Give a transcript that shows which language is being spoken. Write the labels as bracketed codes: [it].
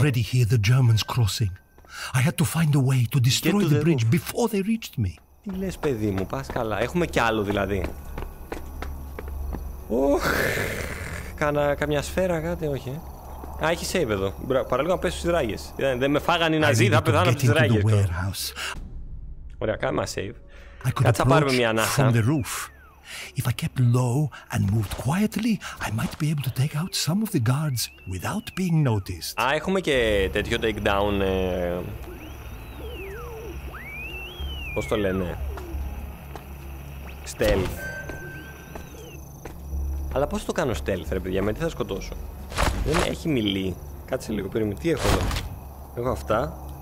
[en] Already hear the Germans crossing. I had to find a way to destroy the bridge before they reached me. [el] Τι λες, παιδί μου, πας καλά. Έχουμε κι άλλο, δηλαδή. Οχ. Καμιά σφαίρα, κάτι, όχι. Α, έχει save εδώ. Παραλίγο να πέσω στις δράγες. Δεν με φάγανε οι Ναζί, θα πεθάνω από τις δράγες. Ωραία, κάνε ένα save. Κάτσε να πάρουμε μια ανάσα. [en] If I kept low and moved quietly, I might be able to take out some of the guards without being noticed. [el] Α, έχουμε και τέτοιο takedown. Πώς το λένε? Stealth. Αλλά πώς το κάνω stealth, ρε παιδιά, με τι θα σκοτώσω? Δεν έχει μιλή. Κάτσε λίγο, περίμενε. Τι έχω εδώ? Έχω αυτά.